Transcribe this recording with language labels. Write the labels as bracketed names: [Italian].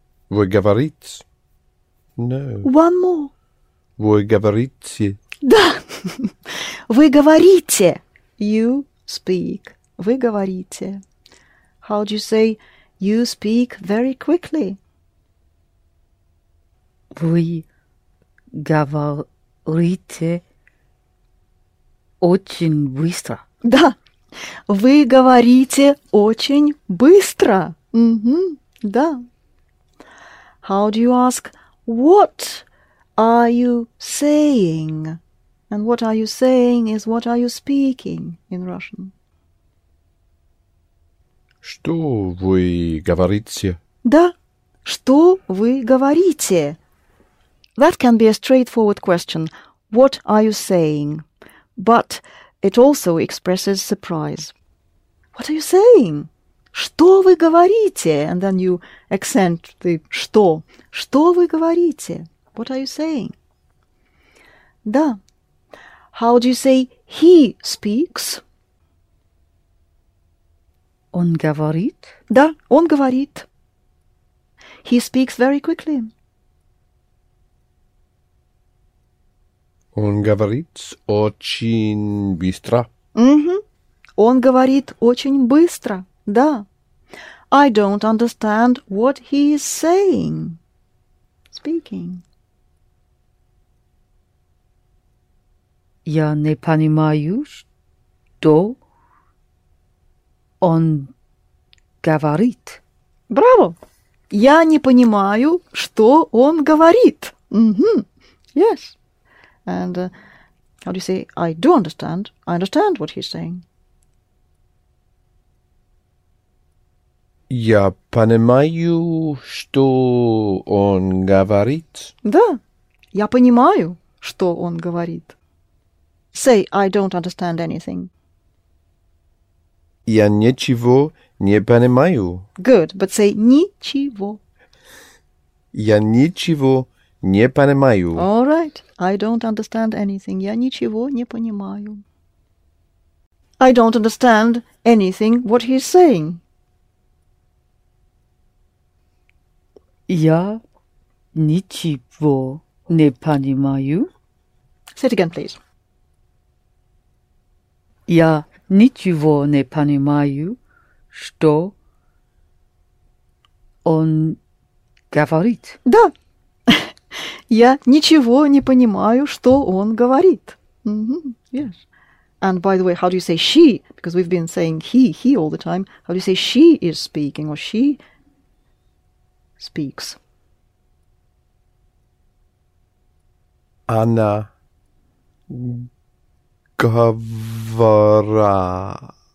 [Russian] Вы говорите. No. [English] One more. [Russian] Вы говорите. Да. Вы говорите. [English] You speak. [Russian] Вы говорите. [English] How do you say you speak very quickly? [Russian] Вы говорите очень быстро. Да. Вы говорите очень быстро. Mm-hmm. Да. [English] How do you ask what are you saying? And what are you saying is what are you speaking in Russian? [Russian] Что вы говорите? Да. Что вы говорите? [English] That can be a straightforward question. What are you saying? But it also expresses surprise. What are you saying? [Russian] Что вы говорите? [English] And then you accent the что. [Russian] Что вы говорите? [English] What are you saying? Да. How do you say he speaks? [Russian] Он говорит? Да, он говорит. [English] He speaks very quickly. [Russian] Он говорит очень быстро. Mm-hmm. Он говорит очень быстро, да. [English] I don't understand what he is saying. Speaking. [Russian] Я не понимаю, что он говорит. Браво! Я не понимаю, что он говорит. [English] Mm-hmm. Yes. And how do you say, I do understand. I understand what he's saying. [Russian] Я понимаю, что он говорит. Да, я понимаю, что он говорит. [English] Say, I don't understand anything. [Russian] Я ничего не понимаю. [English] Good, but say ничего. [Russian] Я ничего не понимаю. [English] All right. I don't understand anything. [Russian] Я ничего не понимаю. [English] I don't understand anything what he's saying. [Russian] Я ничего не понимаю. [English] Say it again, please. [Russian] Я ничего не понимаю, что он говорит. Да. Я ничего не понимаю, что он говорит. [English] Mm-hmm. Yes. And by the way, how do you say she? Because we've been saying he all the time. How do you say she is speaking or she speaks? [Russian] Она говорит.